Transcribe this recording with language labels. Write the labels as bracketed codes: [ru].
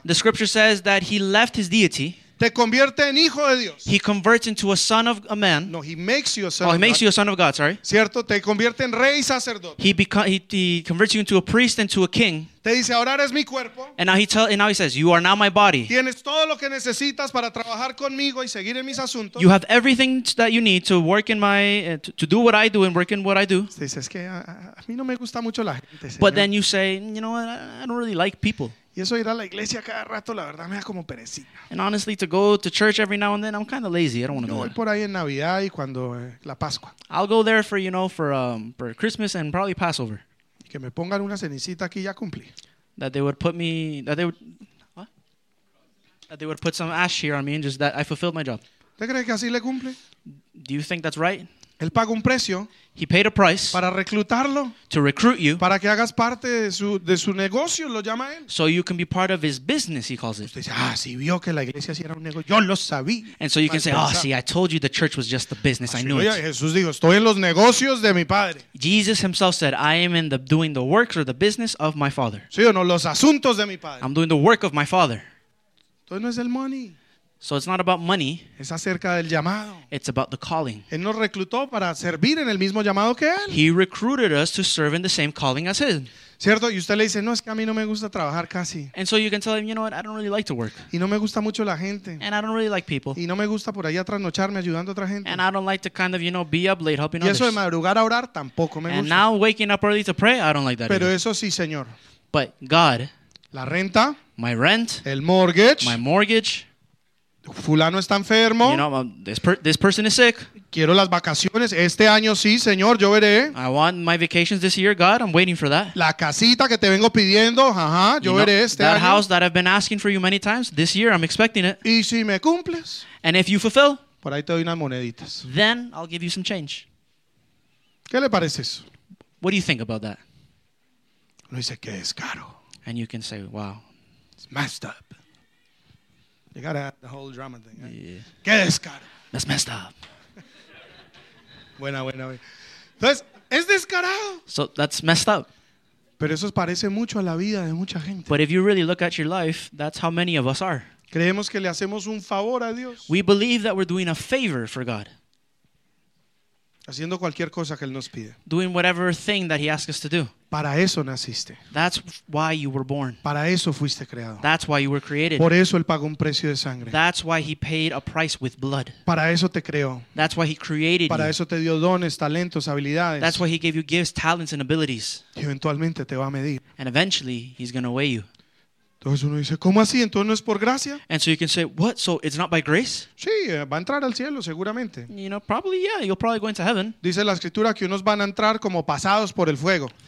[en] The scripture says that he left his deity. [es] Te convierte en hijo de Dios. [en] He converts into a son of a man. No, he makes you a son. Oh, he makes you a son of God. Sorry. [es] Cierto, te convierte en rey y sacerdote. [en] He converts you into a priest and to a king. [es] Te dice, ahora eres mi cuerpo. [en] And now he says, you are now my body. [es] Tienes todo lo que necesitas para trabajar conmigo y seguir en mis asuntos. [en] You have everything that you need to work in my, to do what I do and work in what I do. [es] Te dice, es que a mí no me gusta mucho la gente, señor. [en] But then you say, you know what? I don't really like people. [es] Y eso ir a la iglesia cada rato, la verdad, me da como perecita. [en] And honestly, to go to church every now and then, I'm kind of lazy. I don't want to go. [es] Yo voy por ahí en Navidad y cuando la Pascua. [en] I'll go there for, you know, for Christmas and probably Passover. [es] Que me pongan una cenicita aquí ya cumplí. [en] That they would put me, that they would, what? That they would put some ash here on me and just that I fulfilled my job. [es] ¿Te crees que así le cumple? [en] Do you think that's right? [es] Él paga un precio. [en] He paid a price. [es] Para reclutarlo. [en] To recruit you. [es] Para que hagas parte de su negocio, lo llama él. [en] So you can be part of his business, he calls it. [es] Usted dice, ah, sí, vio que la iglesia sí era un negocio. Yo lo sabía. [en] And so you can say, oh, see, I told you the church was just the business. [es] Así [en] I knew it. [es] Jesús dijo, estoy en los negocios de mi padre. [en] Jesus himself said, I am in the doing the works or the business of my father. [es] Sí o no, los asuntos de mi padre. [en] I'm doing the work of my father. [es] Entonces no es el money. [en] So it's not about money. [es] Es acerca del llamado. [en] It's about the calling. [es] Él nos reclutó para servir en el mismo llamado que él. [en] He recruited us to serve in the same calling as his. [es] ¿Cierto? Y usted le dice, no, es que a mí no me gusta trabajar casi. [en] And so you can tell him, you know what, I don't really like to work. [es] Y no me gusta mucho la gente. [en] And I don't really like people. [es] Y no me gusta por allá trasnocharme ayudando a otra gente. [en] And I don't like to kind of, you know, be up late helping others. [es] Y eso de madrugar a orar tampoco me gusta. [en] And now waking up early to pray, I don't like that [es] Pero [en] either. [es] Eso sí, Señor. [en] But God. [es] La renta. [en] My rent. [es] El mortgage. [en] My mortgage. [es] Fulano está enfermo. [en] You know, this person is sick. [es] Quiero las vacaciones este año, sí, señor, yo veré. [en] I want my vacations this year, God. I'm waiting for that. [es] La casita que te vengo pidiendo, ajá, yo [en] you [es] veré este [en] that [es] año. [en] That house that I've been asking for you many times, this year I'm expecting it. [es] ¿Y si me cumples? [en] And if you fulfill, [es] por ahí te doy unas moneditas. [en] Then I'll give you some change. [es] ¿Qué le parece eso? [en] What do you think about that? [es] Uno dice que es caro. [en] And you can say, wow, it's messed up. You gotta have the whole drama thing. Right? [es] Yeah. ¿Qué es, caro? [en] That's messed up. [es] Buena, buena. Entonces, es descarado. [en] So that's messed up. [es] Pero eso parece mucho a la vida de mucha gente. [en] But if you really look at your life, that's how many of us are. [es] Creemos que le hacemos un favor a Dios. [en] We believe that we're doing a favor for God. [es] Haciendo cualquier cosa que él nos pide. [en] Doing whatever thing that he asks us to do. [es] Para eso naciste. [en] That's why you were born. [es] Para eso fuiste creado. [en] That's why you were created. [es] Por eso él pagó un precio de sangre. [en] That's why he paid a price with blood. [es] Para eso te creó. [en] That's why he created [es] Para [en] you. [es] Eso te dio dones, talentos, habilidades. [en] That's why he gave you gifts, talents, and abilities. [es] Y eventualmente te va a medir. [en] And eventually he's going to weigh you. [es] Entonces uno dice, ¿cómo así? ¿Entonces no es por gracia? [en] And so you can say, what? So it's not by grace? [es] Sí, va a entrar al cielo seguramente. [en] You know, probably, yeah, you'll probably go into heaven. [es] Dice la escritura que unos van a entrar como pasados por el fuego.